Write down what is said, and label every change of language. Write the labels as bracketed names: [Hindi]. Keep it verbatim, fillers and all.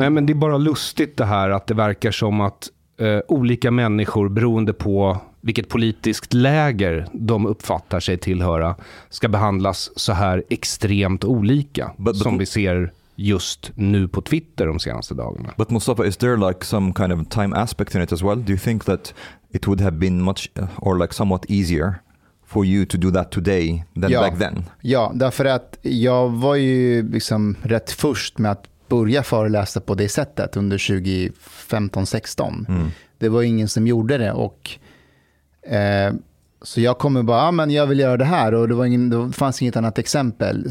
[Swedish] Nej, men det är bara lustigt det här att det verkar som att eh, olika människor beroende på vilket politiskt läger de uppfattar sig tillhöra ska behandlas så här extremt olika, but, but, som vi ser just nu på Twitter de senaste dagarna. [English] But Mustafa, is there like some kind of time aspect in it as well? Do you think that it would have been much or like somewhat easier for you to do that today than [Swedish] ja, [English] back then? [Swedish] Ja, därför att jag var ju liksom rätt först med att börja föreläsa på det sättet under tjugofemton sexton. Mm. Det var ingen som gjorde det och Eh, så jag kommer bara, ah, men jag vill göra det här, och det, var ingen, det fanns inget annat exempel.